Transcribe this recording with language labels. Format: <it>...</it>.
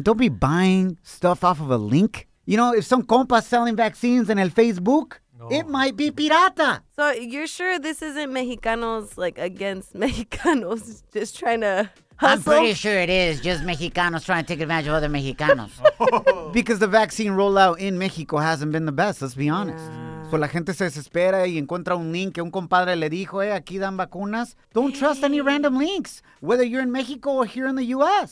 <en>Don't be buying stuff off of a link. You know, if some compa's selling vaccines in el Facebook, It might be pirata. So you're sure this isn't Mexicanos, like, against Mexicanos just trying to hustle? I'm pretty sure it is just Mexicanos trying to take advantage of other Mexicanos. Because the vaccine rollout in Mexico hasn't been the best, let's be honest. Yeah.</en> <es>So la gente se desespera y encuentra un link que un compadre le dijo, hey, aquí dan vacunas.</es> <en>Don't trust any random links, whether you're in Mexico or here in the U.S.</en>